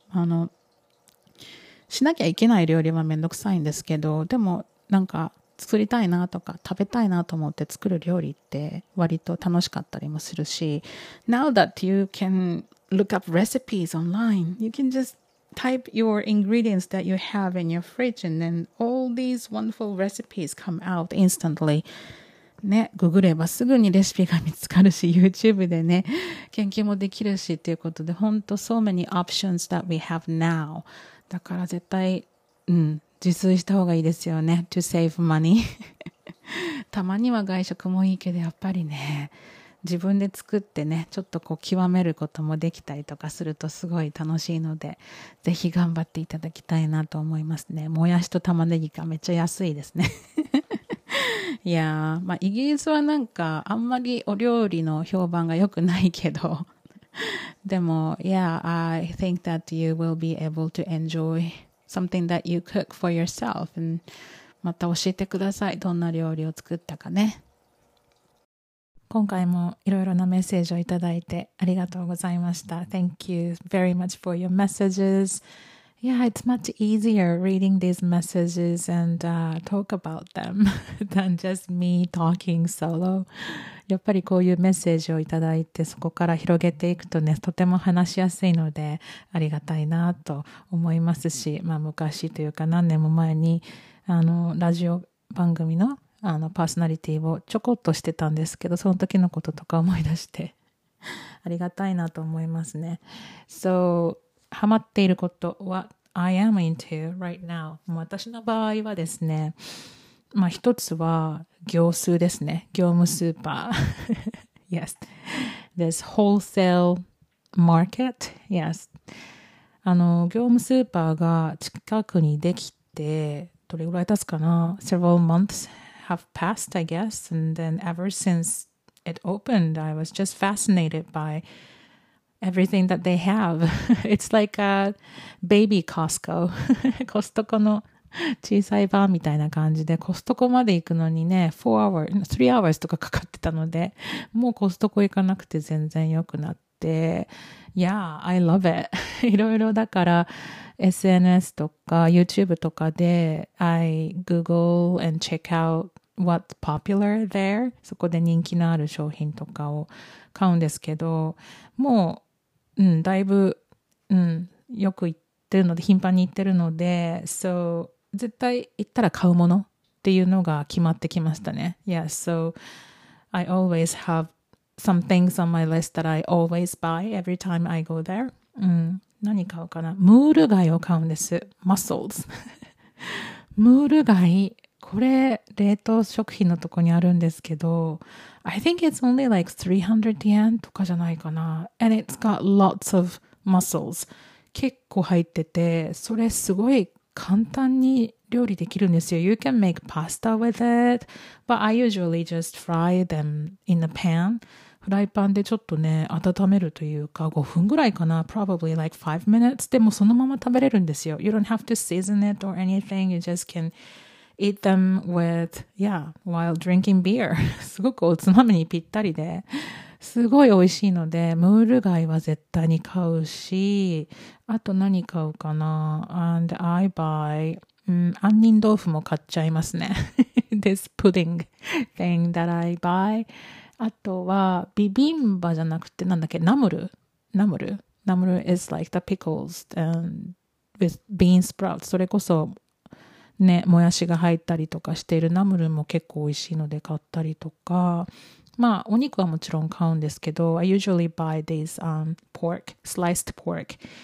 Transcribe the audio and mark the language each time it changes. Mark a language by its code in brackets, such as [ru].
[ja] あの、しなきゃいけない料理はめんどくさいんですけど、でもなんか作りたいなとか食べたいなと思って作る料理って割と楽しかったりもするし、 [en] Now that you can look up recipes online, you can just type your ingredients that you have in your fridge and then all these wonderful recipes come out instantly. [ja] ね、ググればすぐにレシピが見つかるし、 YouTube でね、研究もできるしっていうことで、本当 [en] so many options that we have now. [ja] だから絶対、うん、自炊した方がいいですよね。 [en] To save money. [ja] たまには外食もいいけど、やっぱりね、自分で作ってね、ちょっとこう極めることもできたりとかするとすごい楽しいので、ぜひ頑張っていただきたいなと思いますね。もやしと玉ねぎがめっちゃ安いですね。いやー、まあ、イギリスはなんかあんまりお料理の評判が良くないけど、でも [en] Yeah, I think that you will be able to enjoy something that you cook for yourself. [ja] And また教えてください、どんな料理を作ったかね。今回もいろいろなメッセージをいただいてありがとうございました。 [en] Thank you very much for your messages. Yeah, it's much easier reading these messages and talk about them than just me talking solo. [ja] やっぱりこういうメッセージをいただいて、そこから広げていくとね、とても話しやすいので、ありがたいなと思いますし、まあ昔というか何年も前に、あの、ラジオ番組のあのパーソナリティをちょこっとしてたんですけど、その時のこととか思い出してありがたいなと思いますね。 So ハマっていること、 [en] What I am into right now、 [ja] もう私の場合はですね、まあ一つは業スーですね、業務スーパー。 [en] Yes, this wholesale market. Yes, [ja] あの業務スーパーが近くにできてどれぐらい経つかな、 [en] several monthshave passed, I guess, and then ever since it opened, I was just fascinated by everything that they have. It's like a baby Costco. [ja] Costco の小さい版みたいな感じで、Costco まで行くのにね、3 hours とかかかってたので、もう Costco 行かなくて全然良くなって、 [en] Yeah, I love it. [ja] いろいろだから、SNS とか YouTube とかで [en] I Google and check out what's popular there. [ja] そこで人気のある商品とかを買うんですけど、もう、うん、だいぶ、うん、よく行ってるので、頻繁に行ってるので、So, 絶対行ったら買うものっていうのが決まってきましたね。 [en] Yes, so I always have some things on my list that I always buy every time I go there. [ja] うん、何買うかな、ムール貝を買うんです、 Muscles. ムール貝、これ冷凍食品のとこにあるんですけど、 [en] I think it's only like 300 yen [ja] とかじゃないかな、 [en] and it's got lots of muscles. [ja] 結構入ってて、それすごい簡単に料理できるんですよ。 [en] You can make pasta with it, but I usually just fry them in a pan. [ja] フライパンでちょっとね、温めるというか、5分ぐらいかな、 [en] probably like 5 minutes, [ja] でもそのまま食べれるんですよ。 [en] You don't have to season it or anything, you just can eat them with, yeah, while drinking beer. [ja] すごくおつまみにぴったりで、すごい美味しいので、ムール貝は絶対に買うし、あと何買うかな、 [en] and I buy, [ja] 杏仁豆腐も買っちゃいますね。 [en] This pudding thing that I buy. [ja] あとはビビンバじゃなくてなんだっけ、ナムル、ナムル、ナムル [en] is like the pickles and with bean sprouts、 [ja] それこそね、もやしが入ったりとかしているナムルも結構美味しいので買ったりとか、まあお肉はもちろん買うんですけど、 [en] I usually buy these pork, sliced pork